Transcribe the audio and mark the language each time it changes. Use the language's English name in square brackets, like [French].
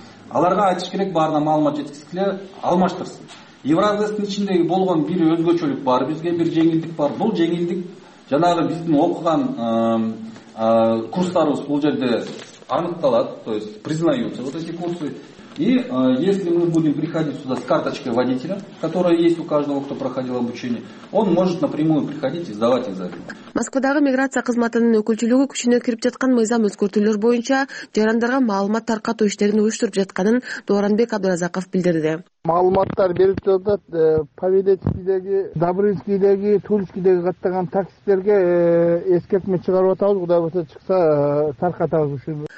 [Kyrgyz] Аларга айтыш керек, баарына маалымат жеткизгиле алмаштырсын. Евразиянын ичиндеги болгон бир өзгөчөлүк бар, бизге бир жеңилдик бар. Бул жеңилдик жанагы биздин окуган курстарыбыз бул жерде аныкталат, [Russian] то есть признаются вот эти курсы. И если мы будем приходить сюда с карточкой водителя, которая есть у каждого, кто проходил обучение, он может напрямую приходить и сдавать экзамен. [Kyrgyz] Москвадагы миграция кызматынын өкүлчүлүгү күчүнө кирип жаткан мыйзам өзгөртүүлөр боюнча жарандарга маалымат таркатуу иштерин уюштуруп жатканын Дооранбек Абдыразаков билдирди. Маалыматтар берип жатат, Павелецкийдеги, Добрынскийдеги, Тульскийдеги каттаган таксисттерге эскертме чыгарып атабыз, кудай болсо чыкса таркатабыз ушуну.